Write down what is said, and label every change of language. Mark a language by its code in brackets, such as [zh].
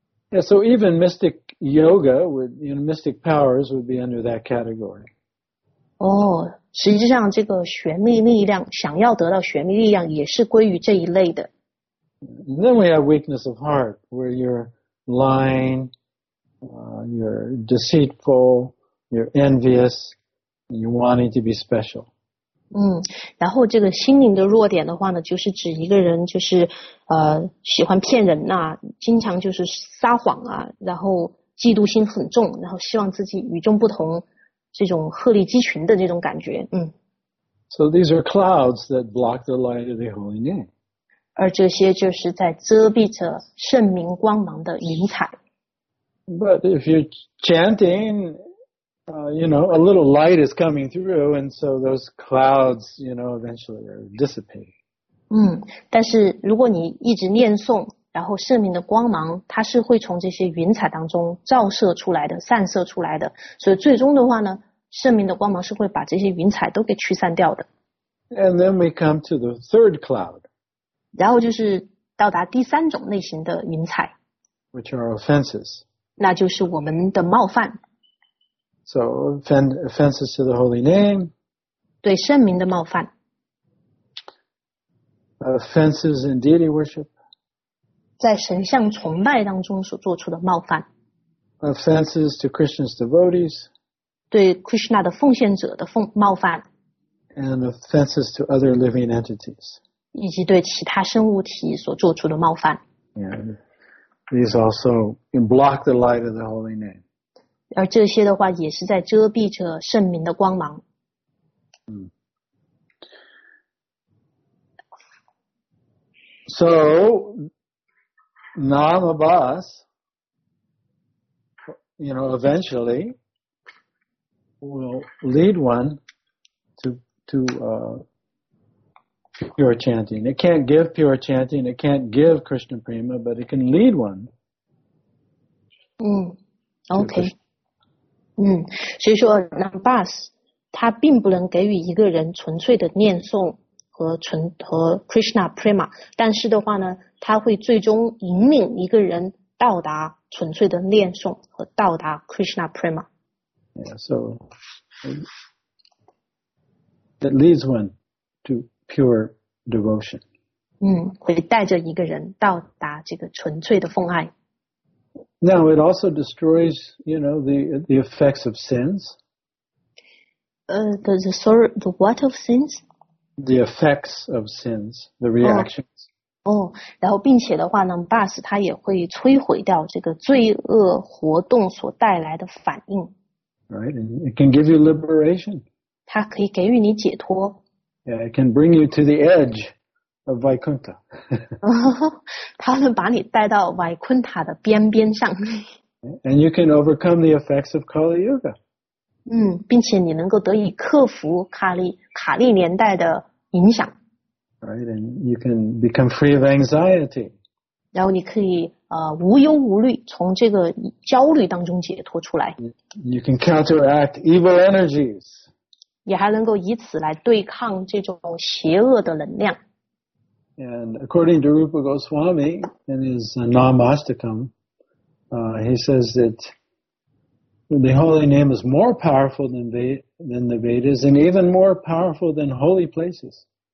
[en] Yeah, so even mystic yoga would, you know, mystic powers would be under that category. [zh] 实际上这个玄秘力量，想要得到玄秘力量，也是归于这一类的。 [en] And then we have weakness of heart, where you're lying, you're deceitful, you're envious, and you're wanting to be special. [zh] 然后这个心灵的弱点的话呢，就是指一个人就是喜欢骗人呐，经常就是撒谎啊，然后嫉妒心很重，然后希望自己与众不同，这种鹤立鸡群的这种感觉。 [en] So these are clouds that block the light of the holy name. [zh] 而这些就是在遮蔽着圣明光芒的云彩。 [en] But if you're chanting, you know, a little light is coming through, and so those clouds, you know, eventually are dissipating. [zh] 但是如果你一直念诵，然后圣明的光芒，它是会从这些云彩当中照射出来的，散射出来的。所以最终的话呢，圣明的光芒是会把这些云彩都给驱散掉的。 [en] And then we come to the third cloud. [zh] 然后就是到达第三种类型的云彩。 [en] Which are offenses. [zh] 那就是我们的冒犯。 [en] So offenses to the holy name. [zh] 对圣明的冒犯。 [en] Offenses in deity worship. [zh] 在神像崇拜当中所做出的冒犯。 [en] Offenses to Krishna's devotees. [zh] 对 Krishna 的奉献者的冒犯。 [en] And offenses to other living entities. [zh] 以及对其他生物体所做出的冒犯。 [en] And these also block the light of the holy name. [zh] 而这些的话也是在遮蔽着圣名的光芒。 [en] So, Nama Bas, you know, eventually will lead one to pure chanting. It can't give pure chanting, it can't give Krishna Prema, but it can lead one. [zh] Okay. 所以说 Nama Bas, 他并不能给予一个人纯粹的念诵。和 Krishna Prema, 但是的话呢，他会最终引领一个人到达纯粹的念诵和到达 Krishna Prema. [en] Yeah, so it leads one to pure devotion. [zh] 会带着一个人到达这个纯粹的奉爱。 [en] Now it also destroys, you know, the effects of sins. The what of sins? The effects of sins, the reactions. [zh] 然后并且的话呢 ，Bas 他也会摧毁掉这个罪恶活动所带来的反应。 [en] Right, and it can give you liberation. [zh] 它可以给予你解脱。 [en] Yeah, it can bring you to the edge of Vaikuntha. [zh] 它能把你带到 Vaikuntha 的边上。 [en] And you can overcome the effects of Kali Yuga. [zh] 并且你能够得以克服卡利年代的影响。 [en] Right, and you can become free of anxiety. [zh] 然后你可以无忧无虑，从这个焦虑当中解脱出来。 [en] You can counteract evil energies. [zh] 也还能够以此来对抗这种邪恶的能量。 [en] And according to Rupa Goswami in his Namastakam, he says that. The holy name is more powerful than the Vedas, and even more powerful than holy places.